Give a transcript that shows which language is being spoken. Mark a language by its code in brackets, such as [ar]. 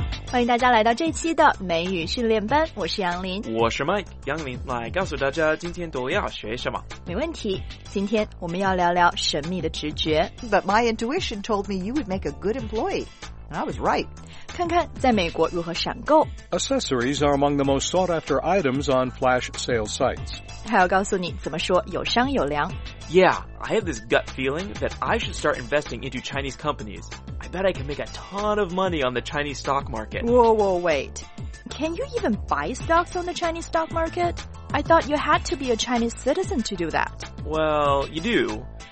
[zh] 欢迎大家来到这期的美语训练班，我是杨林。我是 Mike， 杨林来告诉大家今天都要学什么。没问题，今天我们要聊聊神秘的直觉。 [en] But my intuition told me you would make a good employee. And I was right. [zh] 看看在美国如何闪购。 [en] Accessories are among the most sought after items on flash sales sites. [zh] 还要告诉你怎么说有商有量。 [en] Yeah, I have this gut feeling that I should start investing into Chinese companies. I bet I can make a ton of money on the Chinese stock market. Whoa, wait. Can you even buy stocks on the Chinese stock market? I thought you had to be a Chinese citizen to do that. Well, you do.